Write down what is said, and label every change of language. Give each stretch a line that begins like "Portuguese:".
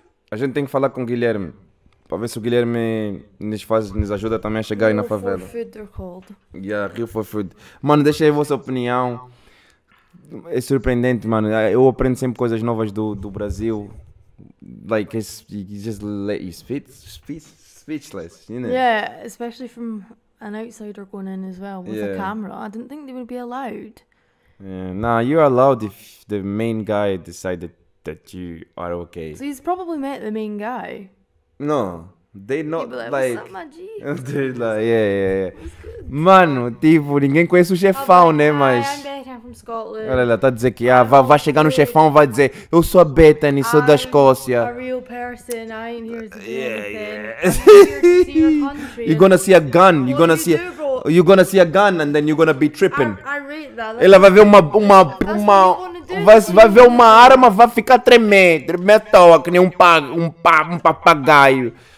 Portuguese: A gente tem que falar com Guilherme, para ver se o Guilherme nos ajuda também a chegar aí na favela.
English: Rio for food, they're called. Yeah, Rio for food.
Portuguese: Mano, deixa aí a vossa opinião. É surpreendente, mano, eu aprendo sempre coisas novas do Brasil.
English: Like he just let you speechless, you know. Yeah, especially from an outsider going in as well with a camera. I didn't think they would be allowed. Yeah, nah, you're allowed if the main guy decided that you are okay. So he's probably met the main guy. No, they not like. What's up, Maggie? Like, yeah.
Portuguese: Mano, tipo, ninguém conhece o chefão, né? Mas.
English: Scotland.
Portuguese: Olha lá, tá a dizer que vai chegar no chefão e vai dizer: eu sou a Bethany, sou da Escócia.
English: A real person, I ain't here to do anything. You're gonna see a gun, you're gonna see a gun, and then you're gonna be tripping. I rate that. That's
Portuguese: ela vai ver uma vai ver uma arma, vai ficar tremendo, metal, que nem um papagaio.